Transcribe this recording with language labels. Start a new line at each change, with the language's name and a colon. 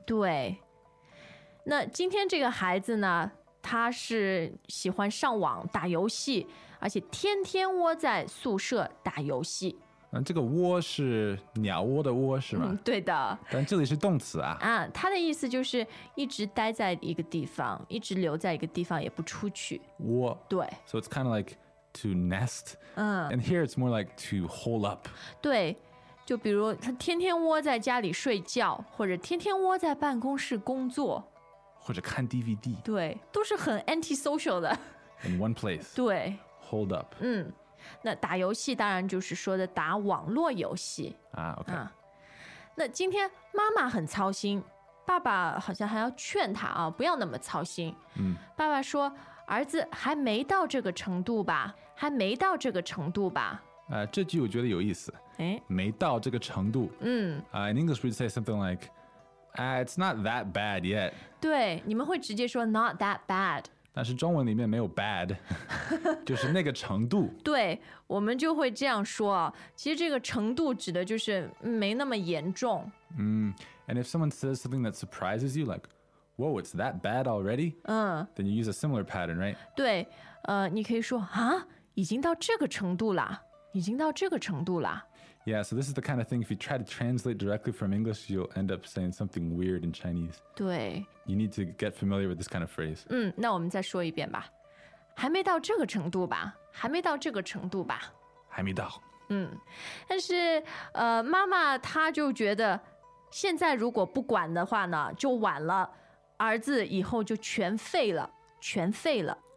Chinese: 对，那今天这个孩子呢，他是喜欢上网打游戏，而且天天窝在宿舍打游戏。这个窝是鸟窝的窝是吗？对的。但这里是动词啊。他的意思就是一直待在一个地方，一直留在一个地方也不出去。窝。对。
English: So it's kind of like to nest. And here it's more like to hole up.
Chinese: 对。就比如他天天窝在家里睡觉，或者天天窝在办公室工作。或者看 DVD。对。都是很 antisocial 的。
English: In one place.
Chinese: 对。
English: Hold up. 嗯。
Chinese: 那打游戏当然就是说的打网络游戏啊。OK，那今天妈妈很操心，爸爸好像还要劝他啊，不要那么操心。嗯，爸爸说，儿子还没到这个程度吧，还没到这个程度吧。这句我觉得有意思。哎，没到这个程度。嗯。
English: In English, we'd say something like, it's not that bad yet.
Chinese: 对，你们会直接说
English: not that bad。
Chinese: 但是中文里面没有 bad， 就是那个程度。对，我们就会这样说。其实这个程度指的就是没那么严重。嗯。
English: And if someone says something that surprises you, like, whoa, it's that bad already? Then you use a similar pattern, right?
Chinese: 对，你可以说，啊，已经到这个程度了，已经到这个程度了。
English: Yeah, so this is the kind of thing, if you try to translate directly from English, you'll end up saying something weird in Chinese.
Chinese: 对。
English: You need to get familiar with this kind of phrase.
Chinese: 嗯，那我们再说一遍吧。还没到这个程度吧，还没到这个程度吧。还没到。嗯，但是，妈妈她就觉得，现在如果不管的话呢，就晚了，儿子以后就全废了，全废了。